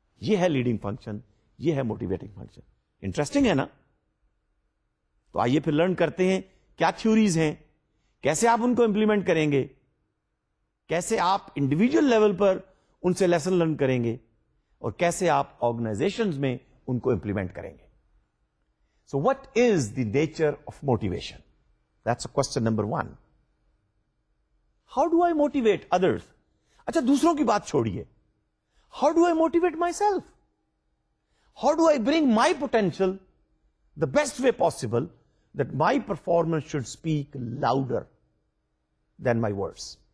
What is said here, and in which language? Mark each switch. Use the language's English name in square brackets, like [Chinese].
[Urdu] یہ ہے leading function, یہ ہے موٹیویٹنگ فنکشن. انٹرسٹنگ ہے نا؟ تو آئیے پھر لرن کرتے ہیں کیا تھیوریز ہیں, کیسے آپ ان کو امپلیمنٹ کریں گے, کیسے آپ انڈیویجل لیول پر ان سے لیسن لرن کریں گے, اور کیسے آپ آرگنائزیشنز میں ان کو امپلیمنٹ کریں گے. [English] So what is the nature of motivation? That's a question number one. How do I motivate others? [Urdu] اچھا دوسروں کی بات چھوڑیے, [English] How do I motivate myself? How do I bring my potential the best way possible that my performance should speak louder than my words?